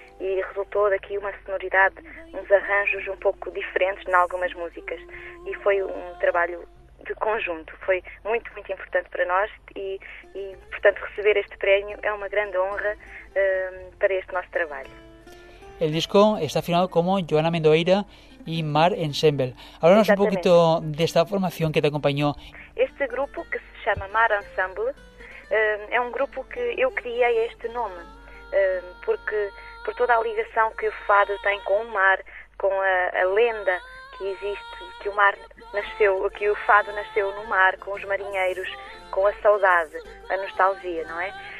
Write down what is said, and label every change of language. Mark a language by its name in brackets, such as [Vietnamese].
[Portuguese] E resultou daqui uma sonoridade, uns arranjos um pouco diferentes em algumas músicas. E foi um trabalho de conjunto, foi muito, muito importante para nós e portanto, receber este prémio é uma grande honra para este nosso trabalho. O disco está afinado como Joana Amendoeira y Mar Ensemble. [Spanish] Háblanos un poquito de esta formación que te acompañó. Este grupo, que se llama Mar Ensemble, é [Portuguese] um grupo que eu criei este nome, porque por toda a ligação que o fado tem com o mar, com a lenda que existe, que o mar nasceu, que o fado nasceu no mar, com os marinheiros, com a saudade, a nostalgia, não é?